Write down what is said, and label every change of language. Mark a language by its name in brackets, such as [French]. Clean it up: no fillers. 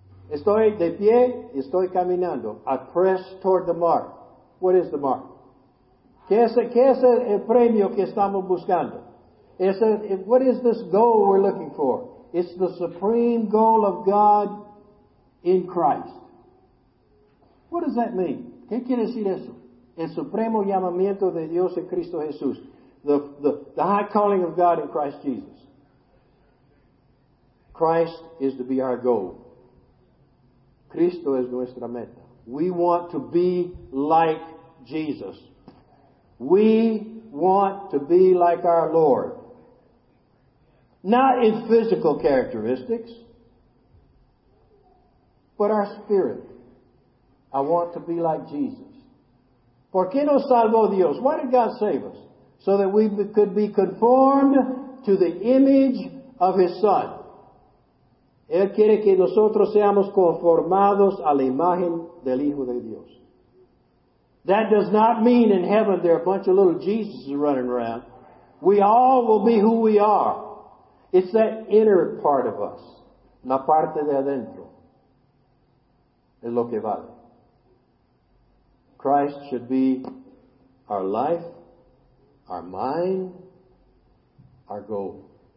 [Spanish] Estoy de pie. Estoy caminando. [English] I press toward the mark. What is the mark? [Spanish] ¿Qué es el premio que estamos buscando? [English] What is this goal we're looking for? It's the supreme goal of God in Christ. What does that mean? [Spanish] ¿Qué quiere decir eso? El supremo llamamiento de Dios en Cristo Jesús. [English] The high calling of God in Christ Jesus. Christ is to be our goal. [Spanish] Cristo es nuestra meta. [English] We want to be like Jesus. We want to be like our Lord. Not in physical characteristics, but our spirit. I want to be like Jesus. [Spanish] ¿Por qué nos salvó Dios? [English] Why did God save us? So that we could be conformed to the image of His Son. [Spanish] Él quiere que nosotros seamos conformados a la imagen del Hijo de Dios. [English] That does not mean in heaven there are a bunch of little Jesuses running around. We all will be who we are. It's that inner part of us. [Spanish] La parte de adentro. Es lo que vale. [English] Christ should be our life, our mind, our goal.